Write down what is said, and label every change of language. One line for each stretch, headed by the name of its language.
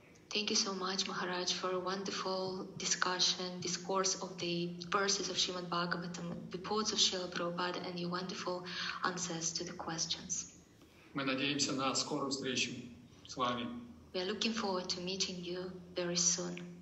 English: Thank you so much, Maharaj, for a wonderful discussion, discourse of the verses of Shrimad Bhagavatam, the poets of Srila Prabhupada, and your wonderful answers to the questions.
Russian: Мы надеемся на скорую встречу с вами.
English: We are looking forward to meeting you very soon.